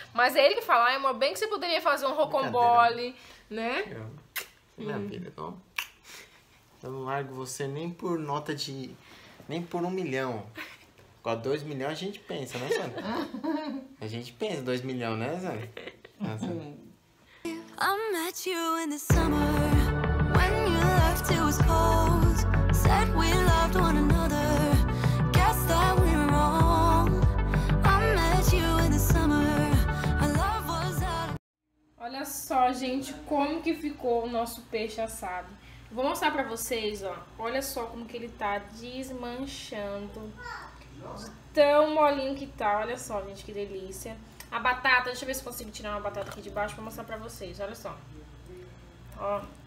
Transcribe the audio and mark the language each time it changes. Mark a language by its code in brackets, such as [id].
[pt] Mas é ele que fala, ai, amor, bem que você poderia fazer um rocambole, né? Minha vida, tá? Eu não largo você nem por nota de... Nem por 1 milhão. Com 2 milhões a gente pensa, né, Sônia? A gente pensa 2 milhões, né, Sônia? [en] I met you in the summer when you left it was cold. Said we loved one another. Guess that we were wrong. I met you in the summer. My love was out. [pt] Olha só, gente, como que ficou o nosso peixe assado. Vou mostrar pra vocês, ó. Olha só como que ele tá desmanchando. Tão molinho que tá. Olha só, gente, que delícia. A batata, deixa eu ver se consigo tirar uma batata aqui de baixo pra mostrar pra vocês. Olha só. Ó.